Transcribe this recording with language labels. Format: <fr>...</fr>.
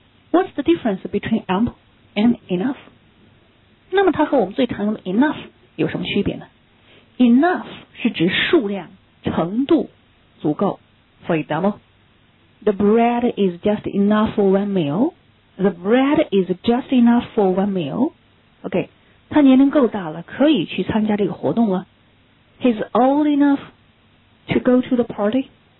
<en>What's the difference between ample and enough?</en> <zh>那么它和我们最常用的 enough 有什么区别呢？ Enough 是指数量、程度、足够。</zh> <en>For example, the bread is just enough for one meal. The bread is just enough for one meal.</en> <zh>OK, 他年龄够大了，可以去参加这个活动了。</zh> <en>He's old enough to go to the party.</en>